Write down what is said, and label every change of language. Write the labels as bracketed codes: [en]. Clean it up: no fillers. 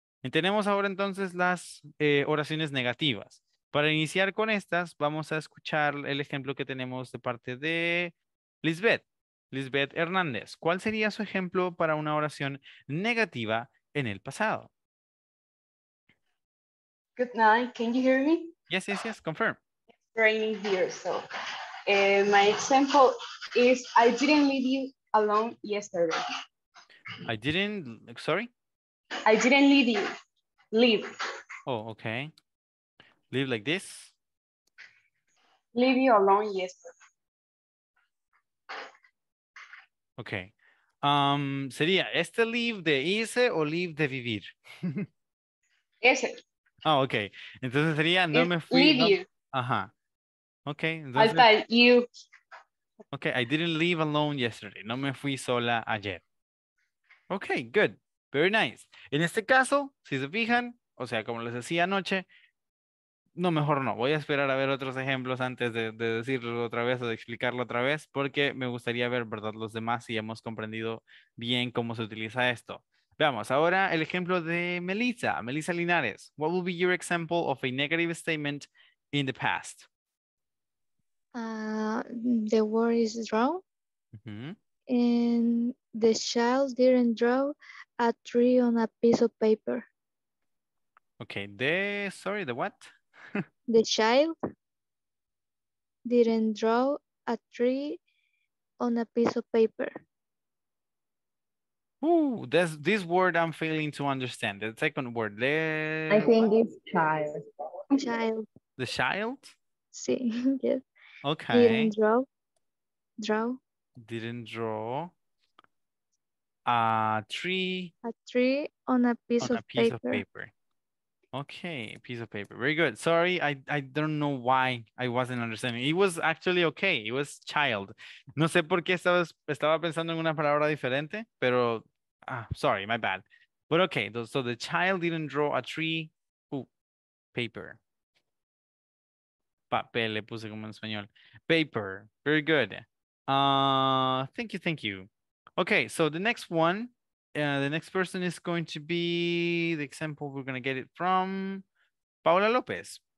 [es] Y tenemos ahora entonces las oraciones negativas. Para iniciar con estas, vamos a escuchar el ejemplo que tenemos de parte de Lisbeth. Lisbeth Hernández, ¿cuál sería su ejemplo para una oración negativa en el pasado? [en] Good night, can you hear me? Yes, yes, yes, confirm. It's raining here, so my example is I didn't leave you alone yesterday. I didn't leave you. Leave. Oh, okay. Leave like this. Leave you alone yesterday. Okay. [es] Sería este leave de irse o leave de vivir. Ese. Oh, okay. Entonces sería no me fui. [en] Leave no, you. Ajá. Okay. Entonces, I thought you. Okay. I didn't leave alone yesterday. [es] No me fui sola ayer. [en] Okay. Good. Very nice. [es] En este caso, si se fijan, o sea, como les decía anoche, no, mejor no. Voy a esperar a ver otros ejemplos antes de decirlo otra vez o de explicarlo otra vez, porque me gustaría ver, ¿verdad?, los demás si hemos comprendido bien cómo se utiliza esto. Veamos, ahora el ejemplo de Melissa. Melissa Linares. [en] What would be your example of a negative statement in the past? The word is draw. Mm-hmm. And the child didn't draw a tree on a piece of paper. Okay, the what? The child didn't draw a tree on a piece of paper. Ooh, this word I'm failing to understand. The second word. I think it's child. Child. The child? Sí, yes. Okay. Didn't draw a tree. A tree on a piece on of a piece paper. Of paper. Okay, piece of paper. Very good. Sorry, I don't know why I wasn't understanding. It was actually okay. It was child. [es] No sé por qué estaba pensando en una palabra diferente, pero [en] sorry, my bad. But okay, so the child didn't draw a tree. [es] Ooh, paper. Papel, le puse como en español. Paper. [en] Very good. Thank you. Okay, so the next one. The next person is going to be the example we're going to get it from Paula Lopez.